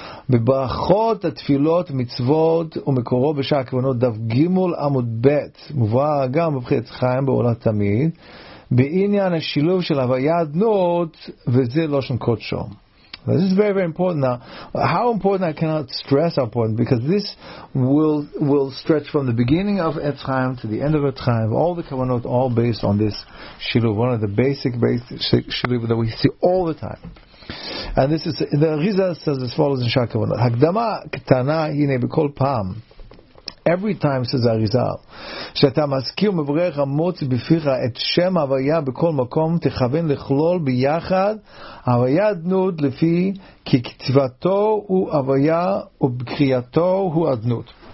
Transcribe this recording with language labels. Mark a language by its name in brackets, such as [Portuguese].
[Hebrew] בברכות התפילות מצוות ומקורו בשעה הכוונות דף גימול עמוד ב' מובא גם בבחית חיים בעולת תמיד בעניין השילוב של הוויה אדנות וזה לא שם קודשו. [English] Now, this is very, very important. Now, how important, I cannot stress how important, because this will stretch from the beginning of Etz Chaim to the end of Etz Chaim. All the Kavanot, all based on this Shiluv, one of the basic Shiluv that we see all the time. And this is, the Rizal says as follows in Shah Kavanot. [Hebrew] Hakdama ketana hine b'kol pam. [English] Every time, says Arizal, [Hebrew] שאתה מזכיר ומברך המוץ בפיך את שם הוויה בכל מקום, תכוון לכלול ביחד הוויה אדנות לפי כי כתיבתו הוא הוויה ובקריאתו הוא אדנות.